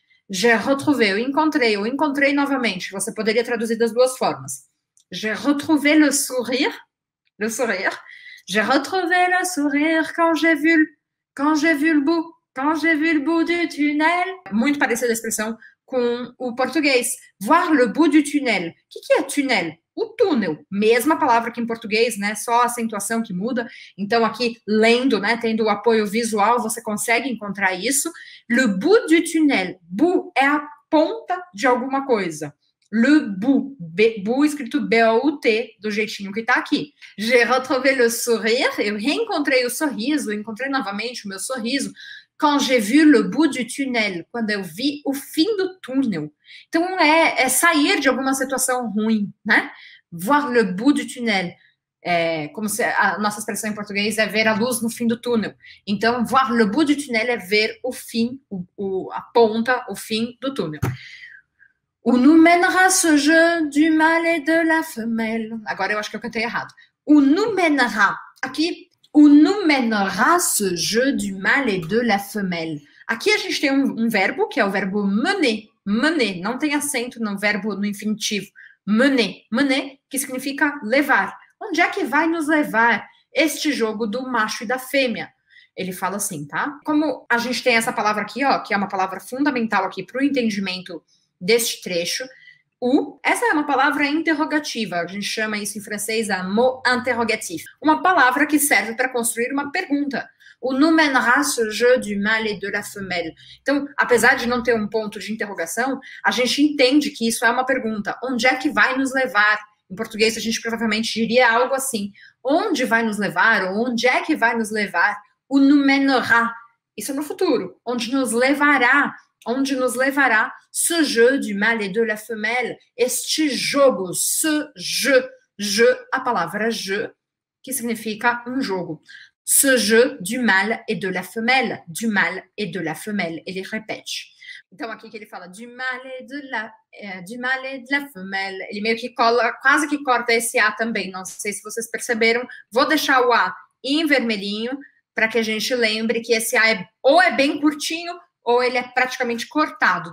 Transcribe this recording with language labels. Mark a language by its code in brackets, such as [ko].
[fr] J'ai retrouvé, [pt] eu encontrei novamente. Você poderia traduzir das duas formas. [fr] J'ai retrouvé le sourire. J'ai retrouvé le sourire quand j'ai vu le bout du tunnel. [pt] Muito parecida a expressão com o português. [fr] Voir le bout du tunnel. [pt] O que é tunnel? O túnel, mesma palavra que em português, né? Só a acentuação que muda. Então, aqui, lendo, né? Tendo o apoio visual, você consegue encontrar isso. [fr] Le bout du tunnel. [pt] Bout é a ponta de alguma coisa. Le bout. Bout escrito B-O-U-T, do jeitinho que tá aqui. [fr] J'ai retrouvé le sourire. [pt] Eu reencontrei o sorriso, encontrei novamente o meu sorriso. [fr] Quand j'ai vu le bout du tunnel, [pt] quando eu vi o fim do túnel. Então, é sair de alguma situação ruim, né? [fr] Voir le bout du tunnel. [pt] É, como se a nossa expressão em português é ver a luz no fim do túnel. Então, [fr] voir le bout du tunnel [pt] é ver o fim, a ponta, o fim do túnel. [fr] Où nous mènera ce jeu du mâle et de la femelle. [pt] Agora eu acho que eu cantei errado. [fr] Où nous mènera. [pt] Aqui... [fr] Où nous mènera ce jeu du mâle et de la femelle. [pt] Aqui a gente tem um verbo, que é o verbo mener. Mener, não tem acento no verbo no infinitivo. Mener, mener, que significa levar. Onde é que vai nos levar este jogo do macho e da fêmea? Ele fala assim, tá? Como a gente tem essa palavra aqui, ó, que é uma palavra fundamental aqui para o entendimento deste trecho, essa é uma palavra interrogativa, a gente chama isso em francês a mot interrogatif. Uma palavra que serve para construir uma pergunta. [fr] O nous mènera ce jeu du mâle et de la femelle. [pt] Então, apesar de não ter um ponto de interrogação, a gente entende que isso é uma pergunta. Onde é que vai nos levar? Em português, a gente provavelmente diria algo assim. Onde vai nos levar? Ou onde é que vai nos levar? [fr] O nous mènera. [pt] Isso é no futuro. Onde nos levará? Onde nos levará [fr] ce jeu du mâle et de la femelle, [pt] este jogo, ce jeu, jeu, a palavra jeu, que significa um jogo. [fr] Ce jeu du mâle et de la femelle, du mâle et de la femelle, [pt] ele repete. Então, aqui que ele fala [fr] du mâle et de la, du mâle et de la femelle, [pt] ele meio que cola, quase que corta esse A também, não sei se vocês perceberam, vou deixar o A em vermelhinho, para que a gente lembre que esse A é bem curtinho, ou ele é praticamente cortado.